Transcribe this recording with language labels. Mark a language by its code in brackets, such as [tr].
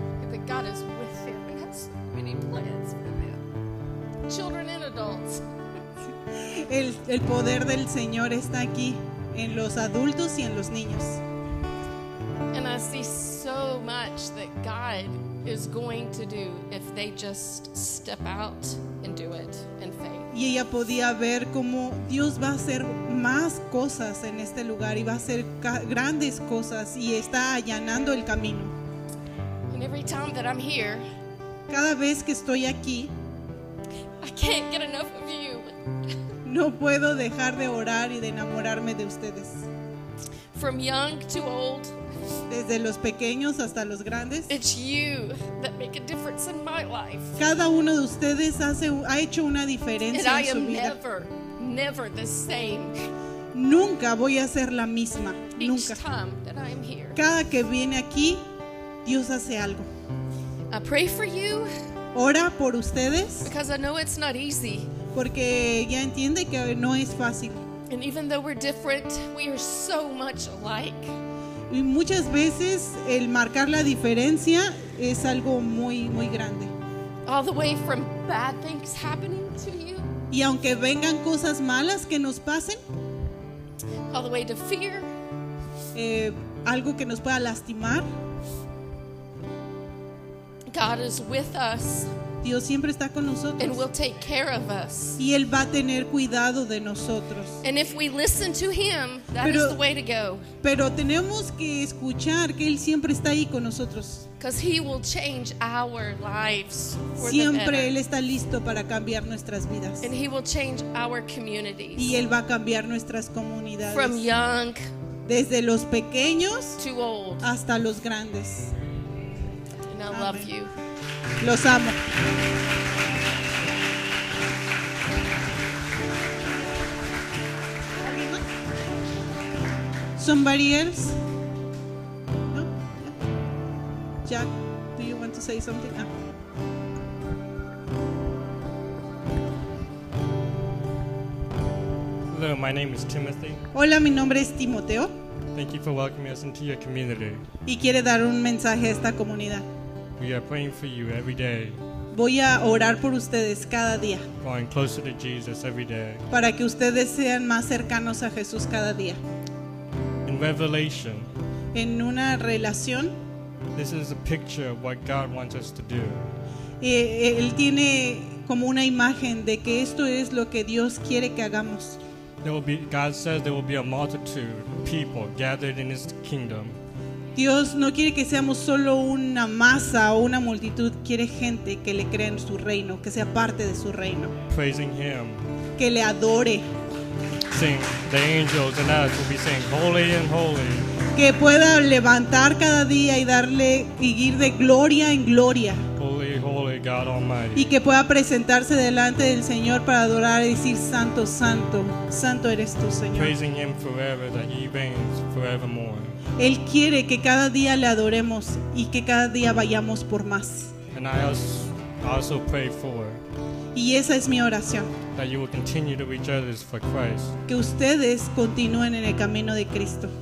[en] But God is with them, and has so many plans for them, children and adults. [es] El poder del Señor está aquí en los adultos y en los niños. [en] And I see so much that God is going to do if they just step out and do it in faith. [es] Y ella podía ver cómo Dios va a hacer más cosas en este lugar y va a hacer grandes cosas y está allanando el camino. [en] And every time that I'm here, [es] cada vez que estoy aquí, [en] I can't get enough of you. [es] No puedo dejar de orar y de enamorarme de ustedes. [en] From young to old, [es] desde los pequeños hasta los grandes, [en] it's you that make a difference in my life. [es] Cada uno de ustedes ha hecho una diferencia [en] and [es] en su vida. [en] Never, never the same. [es] Nunca voy a ser la misma. Nunca. [en] Each time that I'm here. [es] Cada que viene aquí, Dios hace algo. [en] I pray for you. [es] Ora por ustedes. [en] Because I know it's not easy. [es] Porque ya entiende que no es fácil. [en] And even though we're different, we are so much alike. [es] Y muchas veces el marcar la diferencia es algo muy muy grande. [en] All the way from bad things happening to you. [es] Y aunque vengan cosas malas que nos pasen. [en] All the way to fear. [es] Algo que nos pueda lastimar. [en] God is with us. [es] Dios siempre está con nosotros. [en] And will take care of us. [es] Y él va a tener cuidado de nosotros. [en] And if we listen to him, that is the way to go. [es] Pero tenemos que escuchar que él siempre está ahí con nosotros. [en] Because he will change our lives for the better. [es] Siempre él está listo para cambiar nuestras vidas. [en] And he will change our communities. [es] Y él va a cambiar nuestras comunidades. [en] From young, [es] desde los pequeños, [en] to old, [es] hasta los grandes. [en] And I love you. [es] Los amo. [en] Somebody else? No? Jack, do you want to say something? Ah. Hello, my name is Timothy. [es] Hola, mi nombre es Timoteo. [en] Thank you for welcoming us into your community. [es] Y quiere dar un mensaje a esta comunidad. [en] We are praying for you every day. [es] Voy a orar por ustedes cada día. [en] Going closer to Jesus every day. [es] Para que ustedes sean más cercanos a Jesús cada día. [en] In Revelation. [es] En una relación. [en] This is a picture of what God wants us to do. [es] Él tiene como una imagen de que esto es lo que Dios quiere que hagamos. [en] There will be, God says there will be a multitude of people gathered in His kingdom. [es] Dios no quiere que seamos solo una masa o una multitud, quiere gente que le crea en su reino, que sea parte de su reino. [en] Praising him. [es] Que le adore. [en] Sing, the angels and us will be saying, holy and holy. [es] Que pueda levantar cada día y darle y ir de gloria en gloria. [en] Holy, holy God Almighty. [es] Y que pueda presentarse delante del Señor para adorar y decir, santo, santo, santo eres tú, Señor. [en] Praising him forever, that he reigns forevermore. [es] Él quiere que cada día le adoremos y que cada día vayamos por más. [en] And I also pray for, [es] y esa es mi oración. [en] That you will continue to reach others for Christ. [es] Que ustedes continúen en el camino de Cristo.